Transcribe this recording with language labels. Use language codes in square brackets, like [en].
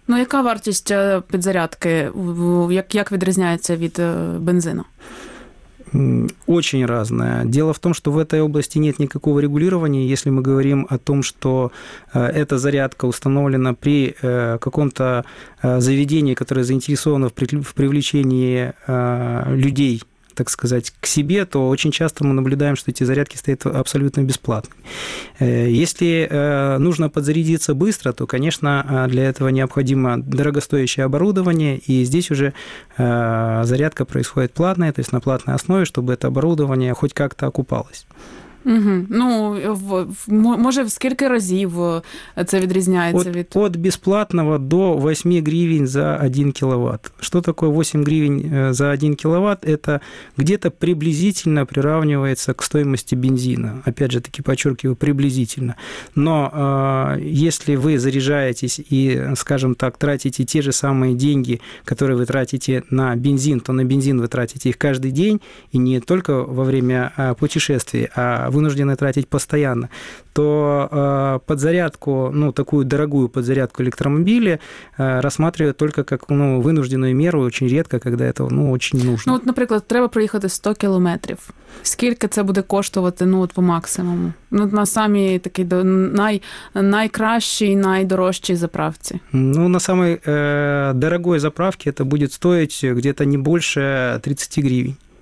[uk] Ну, яка вартість підзарядки? Як відрізняється від бензину? [ru] Очень разное. Дело в том, что в этой области нет никакого регулирования. Если мы говорим о том, что эта зарядка установлена при каком-то заведении, которое заинтересовано в привлечении людей, так сказать, к себе, то очень часто мы наблюдаем, что эти зарядки стоят абсолютно бесплатно. Если нужно подзарядиться быстро, то, конечно, для этого необходимо дорогостоящее оборудование, и здесь уже зарядка происходит платная, то есть на платной основе, чтобы это оборудование хоть как-то окупалось. Угу. [uk] Може, в скільки разів це відрізняється? От безплатного до 8 гривень за 1 кВт. Що таке 8 гривень за 1 кВт? Це [ru] где-то приблизительно [uk] приравнивається [ru] к стоимости бензина. Опять же, таки подчеркиваю, приблизительно. Но если вы заряжаетесь и, скажем так, тратите те же самые деньги, которые вы тратите на бензин, то на бензин вы тратите их каждый день, и не только во время путешествий, а вынуждены тратить постоянно, то подзарядку, такую дорогую подзарядку электромобиля рассматривают только как вынужденную меру, очень редко, когда это очень нужно. Например, [uk] треба [ru] проехать 100 километров. Сколько это будет [uk] коштувати [ru] по максимуму? [uk] На самі такі найкращі і найдорожчі заправці. На самій дорогій заправці це буде стоїти [ru] где-то [uk] не більше 30 гривень.